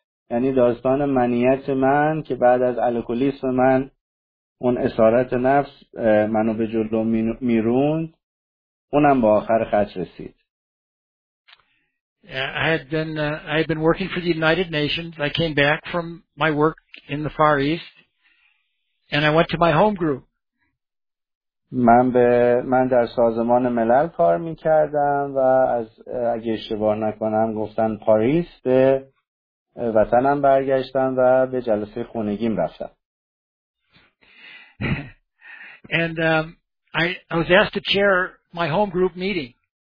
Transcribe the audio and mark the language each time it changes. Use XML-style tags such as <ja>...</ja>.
<fa>یعنی داستان منیت من که بعد از الکلیسم من اون اسارت نفس منو به جلو میروند اونم با آخر خط رسید.</fa> <en>I had been working for the United Nations. I came back from my work in the Far East and I went to my home group.</en> <fa>من در سازمان ملل کار می‌کردم و از اگه اشتباه نکنم گفتن پاریس به وطنم برگشتم و به جلسه خانگیم رفتم.</fa> <en>And I was asked to chair my home group meeting.</en>